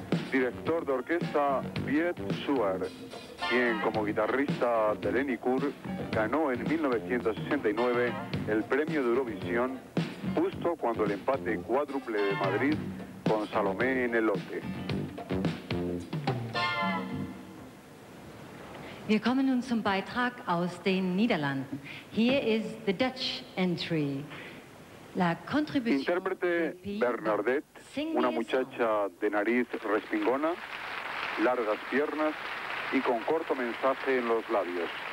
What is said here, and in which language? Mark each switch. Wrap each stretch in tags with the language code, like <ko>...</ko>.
<es>Director de orquesta, Piet Suar, quien como guitarrista de Lenny Kuhr ganó en 1969 el premio de Eurovisión justo cuando el empate cuádruple de Madrid con Salomé en el lote.</es> <de>Wir kommen nun zum Beitrag aus den Niederlanden. Hier ist</de> <en>the Dutch entry.</en> <es>La contribución. Intérprete Bernadette, una muchacha de nariz respingona, largas piernas y con corto mensaje en los labios.</es>